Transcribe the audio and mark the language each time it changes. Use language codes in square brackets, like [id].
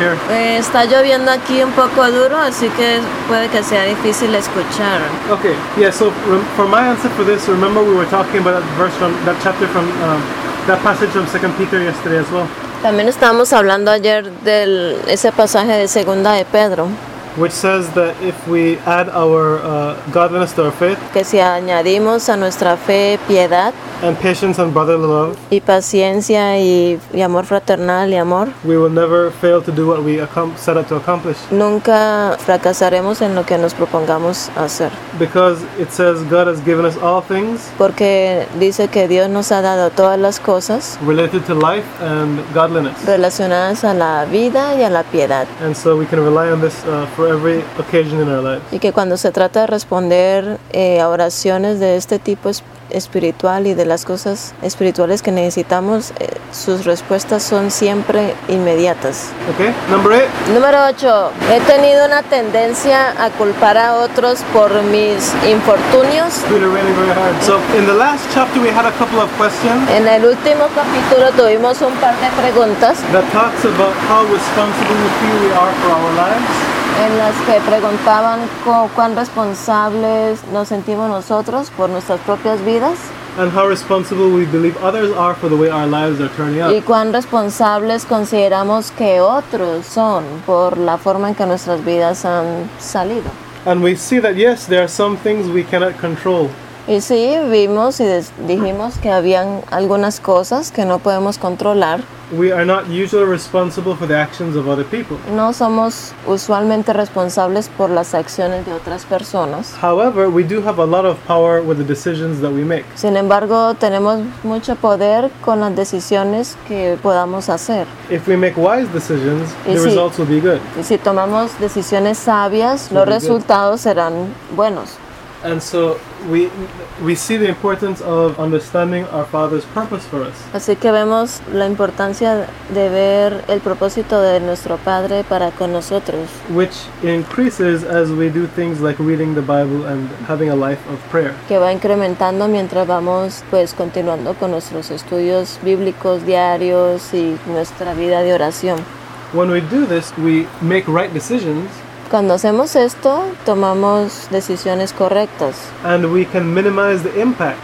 [es] Está lloviendo aquí un poco duro, así que puede que sea difícil escuchar. [en] Okay, yeah. So for my answer for this, remember we were talking about that verse from that chapter from that passage from 2 Peter yesterday as well. [es] También estábamos hablando ayer del ese pasaje de Segunda de Pedro, [en] which says that if we add our godliness to our faith, [es] que si añadimos a nuestra fe piedad, [en] and patience and brotherly love, [es] y paciencia y amor fraternal y amor, [en] we will never fail to do what we set out to accomplish. [es] Nunca fracasaremos en lo que nos propongamos hacer. [en] Because it says God has given us all things, [es] porque dice que Dios nos ha dado todas las cosas, [en] related to life and godliness, [es] relacionadas a la vida y a la piedad. [en] And so we can rely on this for every occasion in our life. [es] Y que cuando se trata de responder a oraciones de este tipo espiritual y de las cosas espirituales que necesitamos, sus respuestas son siempre inmediatas. [en] Okay, number 8. [es] Número 8. He tenido una tendencia a culpar a otros por mis infortunios. [en] So in the last chapter we had a couple of questions. [es] En el último capítulo tuvimos un par de preguntas. [en] That talks about how responsible we feel we are for our lives. [es] En las que preguntaban cuán responsables nos sentimos nosotros por nuestras propias vidas. [en] And how responsible we believe others are for the way our lives are turning out. [es] Y cuán responsables consideramos que otros son por la forma en que nuestras vidas han salido. [en] And we see that yes, there are some things we cannot control. [es] Y sí, vimos y dijimos que habían algunas cosas que no podemos controlar. [en] We are not usually responsible for the actions of other people. [es] No somos usualmente responsables por las acciones de otras personas. [en] However, we do have a lot of power with the decisions that we make. [es] Sin embargo, tenemos mucho poder con las decisiones que podamos hacer. [en] If we make wise decisions, the results will be good. [es] Y si tomamos decisiones sabias, los resultados serán buenos. [en] And so we see the importance of understanding our Father's purpose for us. [es] Así que vemos la importancia de ver el propósito de nuestro Padre para con nosotros. [en] Which increases as we do things like reading the Bible and having a life of prayer. [es] Que va incrementando mientras vamos pues continuando con nuestros estudios bíblicos diarios y nuestra vida de oración. [en] When we do this, we make right decisions. [es] Cuando hacemos esto, tomamos decisiones correctas. [en] And we can minimize the impact.